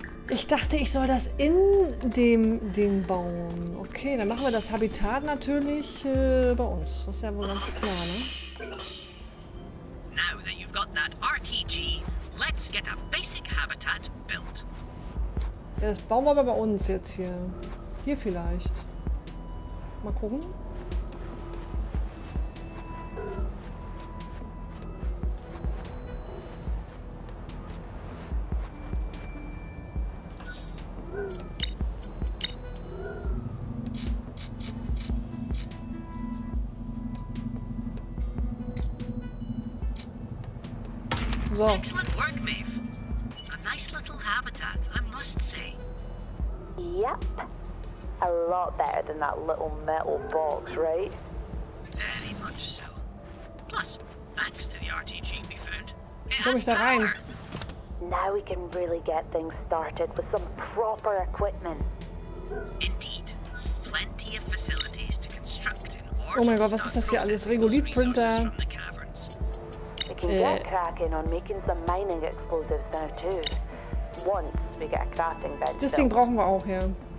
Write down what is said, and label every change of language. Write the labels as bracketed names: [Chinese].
[German] Ich dachte, ich soll das in dem Ding bauen. Okay, dann machen wir das Habitat natürlich bei uns. Das ist ja wohl ganz klar, ne? [English] Now that you've got that RTG, let's get a basic habitat built. [German] Ja, das bauen wir aber bei uns jetzt hier. Hier vielleicht. Mal gucken. So. [English] Excellent work, Maeve. A nice little habitat, I must say. Yep. A lot better than that little metal box, right? Very much so. Plus, thanks to the RTG we found. [German] Komm ich da rein? [English] Now we can really get things started with some proper equipment. Indeed. Plenty of facilities to construct in order. [German] Oh mein Gott, was ist das hier alles? [English] Regolith Printer. We can get cracking on making some mining explosives now too. Once we get a crafting bench. [German] Das Ding brauchen wir auch hier.